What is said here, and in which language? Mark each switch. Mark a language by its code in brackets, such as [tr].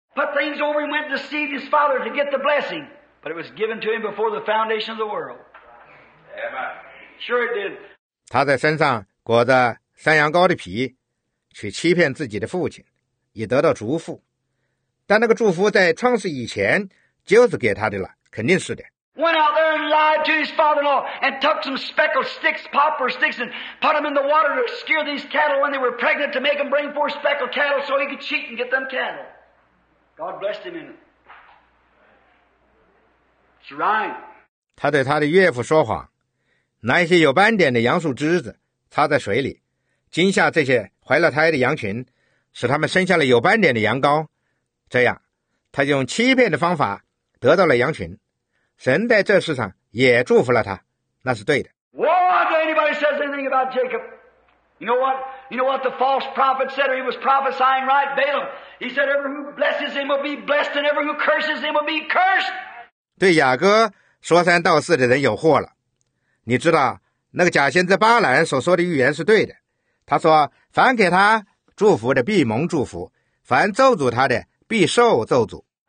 [en] Put things over and went to deceive his father to get the blessing, but it was given to him before the foundation of the world. Sure it did. [zh] 他在身上裹着山羊羔的皮，去欺骗自己的父亲，以得到祝福。但那个祝福在创世以前就是给他的了，肯定是的。 [en] Went out there and lied to his father-in-law and tucked some speckled sticks, poplar sticks, and put them in the water to scare these cattle when they were pregnant to make them bring forth speckled cattle so he could cheat and get them cattle. God blessed him in it. It's right. [zh] 他对他的岳父说谎，拿一些有斑点的杨树枝子插在水里，惊吓这些怀了胎的羊群，使他们生下了有斑点的羊羔。这样，他就用欺骗的方法得到了羊群。神在这世上也祝福了他，那是对的。 [en] Whoa, if anybody says anything about Jacob, you know what? You know what the false prophet said, or he was prophesying, right? Balaam. He said, "Every who blesses him will be blessed, and every who curses him will be cursed." [zh] 对雅各说三道四的人有祸了。你知道那个假先知巴兰所说的预言是对的。他说，凡给他祝福的必蒙祝福，凡咒诅他的必受咒诅。